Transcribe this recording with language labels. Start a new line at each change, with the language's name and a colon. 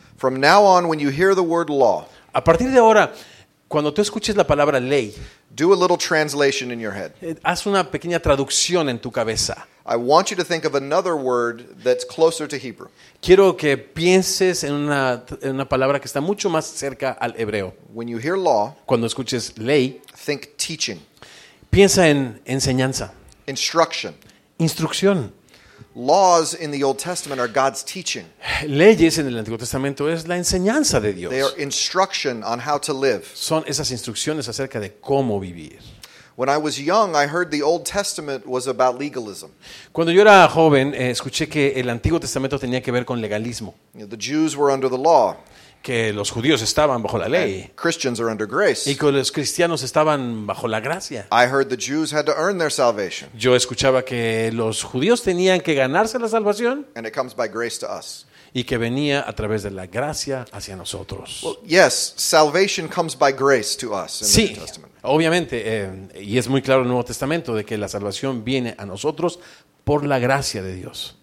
English: From now on, when you hear the word law,
Spanish: a partir de ahora, cuando tú escuches la palabra ley,
English: do a little translation in your head.
Spanish: Haz una pequeña traducción en tu cabeza.
English: I want you to think of another word that's closer to Hebrew.
Spanish: Quiero que pienses en una palabra que está mucho más cerca al hebreo.
English: When you hear law,
Spanish: cuando escuches ley,
English: think teaching.
Spanish: Piensa en enseñanza.
English: Instruction.
Spanish: Instrucción.
English: Laws in the Old Testament are God's teaching.
Spanish: Leyes en el Antiguo Testamento es la enseñanza de Dios.
English: They are instruction on how to live.
Spanish: Son esas instrucciones acerca de cómo vivir.
English: When I was young, I heard the Old Testament was about legalism.
Spanish: Cuando yo era joven, escuché que el Antiguo Testamento tenía que ver con legalismo.
English: You know, the Jews were under the law.
Spanish: Que los judíos estaban bajo la ley.
English: And Christians are under grace.
Spanish: Y que los cristianos estaban bajo la gracia.
English: I heard the Jews had to earn their salvation.
Spanish: Yo escuchaba que los judíos tenían que ganarse la salvación.
English: And it comes by grace to us.
Spanish: Y que venía a través de la gracia hacia nosotros.
English: Well, yes, salvation comes by grace to us in
Spanish: sí,
English: the New Testament.
Spanish: Obviamente, y es muy claro en el Nuevo Testamento de que la salvación viene a nosotros por la gracia de Dios.